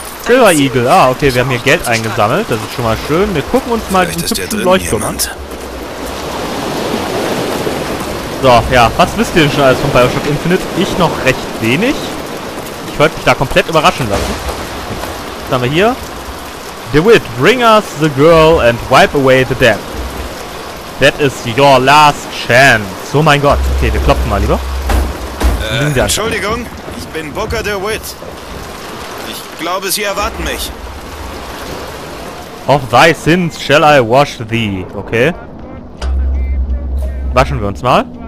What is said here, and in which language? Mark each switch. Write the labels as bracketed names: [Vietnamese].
[German] Silver Eagle, ah, okay, wir haben hier Geld eingesammelt, das ist schon mal schön. Wir gucken uns mal diesen hübschen Leuchtturm an. So, ja, was wisst ihr denn schon alles von BioShock Infinite? Ich noch recht wenig. Ich wollte mich da komplett überraschen lassen. Was haben wir hier? [English] The Wit, bring us the girl and wipe away the dead. That is your last chance. [German] Oh mein Gott. Okay, wir klopfen mal lieber. Entschuldigung, ich bin Booker The Wit. Ich glaube, sie erwarten mich. [English] Of thy sins shall I wash thee. Okay. [German] Waschen wir uns mal.